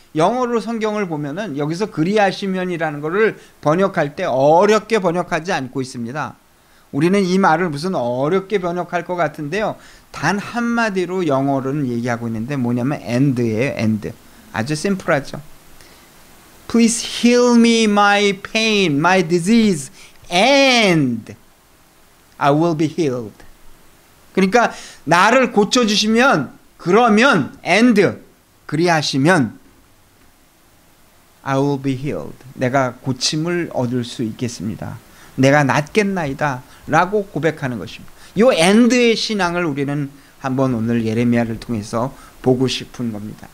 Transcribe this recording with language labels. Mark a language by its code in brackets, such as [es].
[ko] 영어로 성경을 보면은 여기서 그리하시면이라는 것을 번역할 때 어렵게 번역하지 않고 있습니다. 우리는 이 말을 무슨 어렵게 번역할 것 같은데요. 단 한마디로 영어로는 얘기하고 있는데 뭐냐면 end예요. end. 아주 심플하죠. [en] Please heal me my pain, my disease, and I will be healed. [ko] 그러니까 나를 고쳐주시면 그러면 and 그리하시면 [en] I will be healed. [ko] 내가 고침을 얻을 수 있겠습니다. 내가 낫겠나이다 라고 고백하는 것입니다. 이 end의 신앙을 우리는 한번 오늘 예레미야를 통해서 보고 싶은 겁니다.